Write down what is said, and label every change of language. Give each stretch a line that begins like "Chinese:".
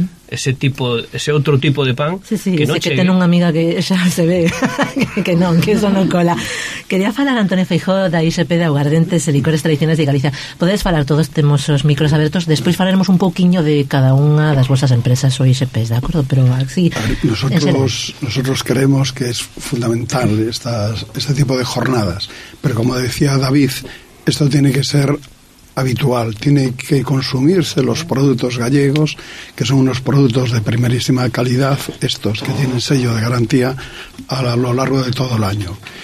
Galician: Ese tipo, ese outro tipo de pan, sí, sí, que non chegue. Que ten unha amiga que xa se ve que non, que eso non cola. Quería falar a Antonio Feijóo da ISP de Augardentes e Licores Tradicionais de Galicia. Podes falar, todos temos os micros abertos. Despois falaremos un pouquiño de cada unha das vosas empresas ou ISPs, de acordo? Pero así,
Spanish: nosotros queremos que es fundamental este tipo de jornadas. Pero como decía David, esto tiene que ser habitual, tiene que consumirse los productos gallegos, que son unos productos de primerísima calidad, estos que tienen sello de garantía a lo largo de todo el año.